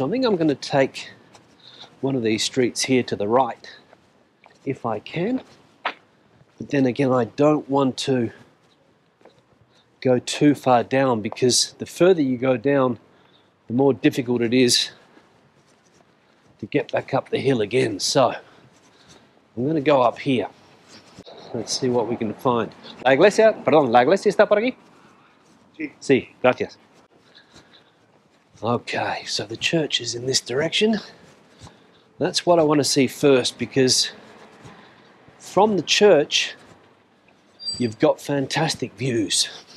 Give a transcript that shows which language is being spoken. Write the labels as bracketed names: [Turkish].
[English] I think I'm going to take one of these streets here to the right, if I can, but then again, I don't want to go too far down, because the further you go down, the more difficult it is to get back up the hill again. So I'm going to go up here. Let's see what we can find. [Spanish] La iglesia, perdón, la iglesia está por aquí? Sí. Sí, gracias. [English] Okay, so the church is in this direction. That's what I want to see first, because from the church, you've got fantastic views.